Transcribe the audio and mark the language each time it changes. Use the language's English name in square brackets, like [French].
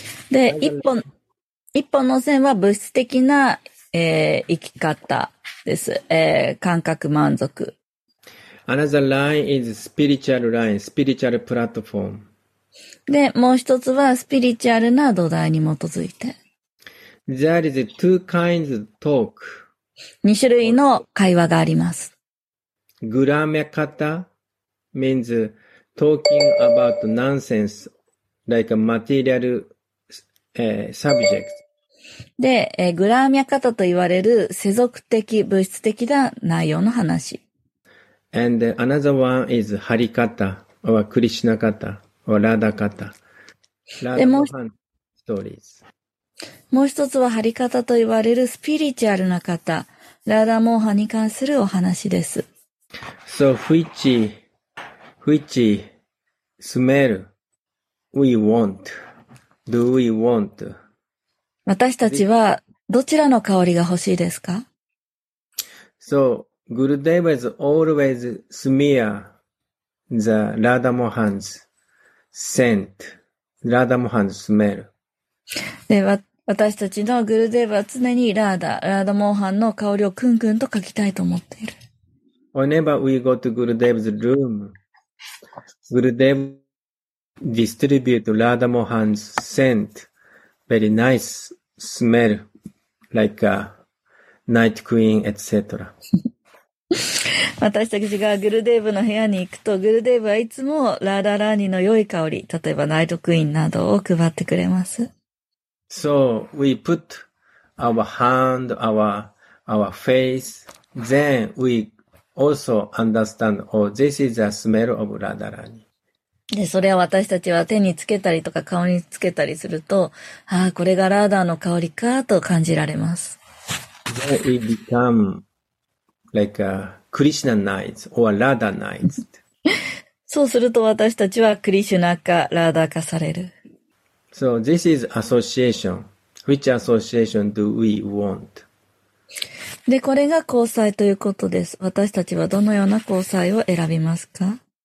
[Japanese] で、1本の線は物質的な、生き方です、感覚満足。 [English] Another line is spiritual line, spiritual platform. [Japanese] で、もう一つはスピリチュアルな土台に基づいて。 [English] There is two kinds of talk. [Japanese] 2種類の会話があります。 [English] グラメカタ means talking about nonsense like a material、subject. [Japanese] で、グラメカタと言われる世俗的、物質的な内容の話。 [English] And another one is ハリカタ or クリシナカタ or ラダカタ。ラダコハンストーリーズ。 [Japanese] もう一つはハリカタと言われるスピリチュアルな方。ラダモーハに関するお話です。 [English] So, which smell we want? Do we want? [Japanese] 私たちはどちらの香りが欲しいですか? [English] So, Gurudev is always smear the Radhamohan's scent. Radhamohan's smell. [Japanese] で私たちのグルデーヴは常にラーダモーハンの香りをクンクンと嗅ぎたいと思っている。 [English] Whenever we go to グルデーヴ's room, グルデーヴ distribute ラーダモーハン scent, very nice smell, like a night queen, etc. [Japanese] 私たちがグルデーヴの部屋に行くと、グルデーヴはいつもラーダラーニの良い香り、例えばナイトクイーンなどを配ってくれます。 [English] So we put our hand, our face, then we also understand, oh, this is the smell of Radharani. [Japanese] で、それは私たちは手につけたりとか顔につけたりすると、ああ、これがラーダの香りかと感じられます。 [English] Then we become like a Krishna knights or Radha knights. [Japanese] そうすると私たちはクリシュナかラーダ化される。 [English] So this is association. Which association do we want? [Japanese] で、これが交際ということです。私たちはどのような交際を選びますか?